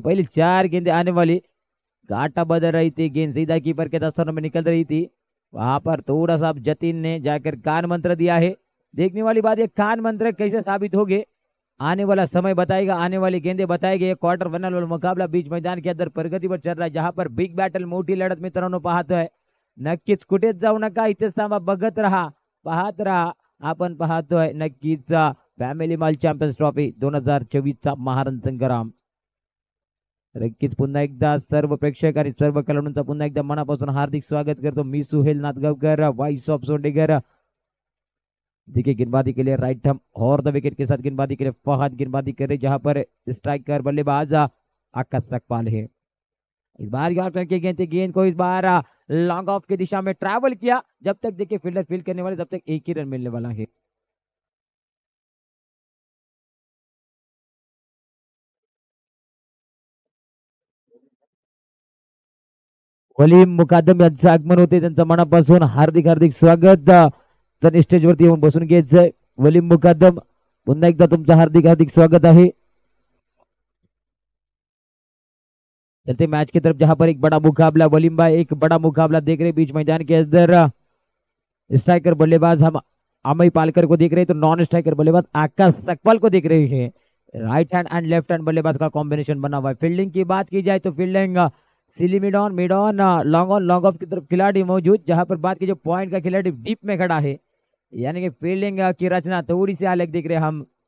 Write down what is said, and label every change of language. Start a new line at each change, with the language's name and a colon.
Hindi: पहले 4 गेंदे आने वाली, गाटा बदल रही थी गेंद, सीधा कीपर के दस्तानों में निकल रही थी, वहां पर थोड़ा सा जतिन ने जाकर कान मंत्र दिया है। देखने वाली बात, ये कान मंत्र कैसे साबित हो गए आने वाला समय बताएगा, आने वाली गेंदे बताएगी। ये क्वार्टर फाइनल वाला मुकाबला बीच मैदान के अंदर प्रगति पर चल रहा है, जहां पर बिग बैटल मोटी लड़त
Marathi: मित्रांनो पाहत आहे। नक्कीच कुठे जाऊ नका, इथेच थांबा, बघत रहा, पाहत रहा, आपण पाहतोय नक्कीच फॅमिली मॉल चॅम्पियन्स ट्रॉफी 2024 चा महारण संग्राम। नक्कीच पुन्हा एकदा सर्व प्रेक्षक आणि सर्व खेळाडूंचं पुन्हा एकदा मनापासून हार्दिक स्वागत करतो। मी सुहेल नादगावकर, व्हॉइस ऑफ सोंडेगर।
Hindi: देखिए गेंदबाजी के लिए राइट हम और द विकेट के साथ गेंदबाजी के लिए फहद गेंदबाजी कर रहे, जहां पर स्ट्राइकर बल्लेबाज आकाश सकपाल है। इस बार गेंद को इस बार लॉन्ग ऑफ की दिशा में ट्रैवल किया, जब तक देखिए फील्डर फील्ड करने वाले, तब तक 1 ही रन मिलने वाला है।
Marathi: वलीम मुकादम यांचं आगमन होते, त्यांचं मनापासून हार्दिक हार्दिक स्वागत। स्टेज वरती येऊन बसून घ्यायचंय वलीम मुकादम, पुन्हा एकदा तुमचं हार्दिक हार्दिक स्वागत आहे।
Hindi: चलते मॅच की तरफ, जहां पर एक बड़ा मुकाबला, वलीम भाई एक बड़ा मुकाबला देख रहे बीच मैदान के अंदर। स्ट्राइकर बल्लेबाज हम अमय पालकर को देख रहे, तो नॉन स्ट्राइकर बल्लेबाज आकाश सकपाल को देख रहे हैं। Right hand and left hand बल्लेबाज का कॉम्बिनेशन बना हुआ है। फील्डिंग की बात की जाए तो fielding silly mid on mid on long on long off की तरफ खिलाड़ी मौजूद, जहां पर बात की जो पॉइंट का खिलाड़ी डीप में खड़ा है, यानी कि फील्डिंग की रचना थोड़ी सी अलग दिख रहे हम।